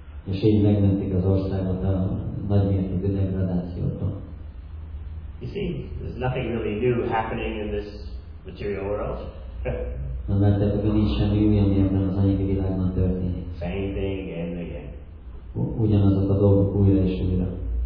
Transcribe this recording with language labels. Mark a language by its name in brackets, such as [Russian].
[Hungarian] És így megmentik az országot a nagymértékű degradációtól. [English] You see, there's nothing really new happening in this material world. [Hungarian] Mert ebben nincs semmi új, ami ebben az anyagi világban történik. [English] Same thing again and again. [Hungarian] Ugyanazok a dolgok újra és újra.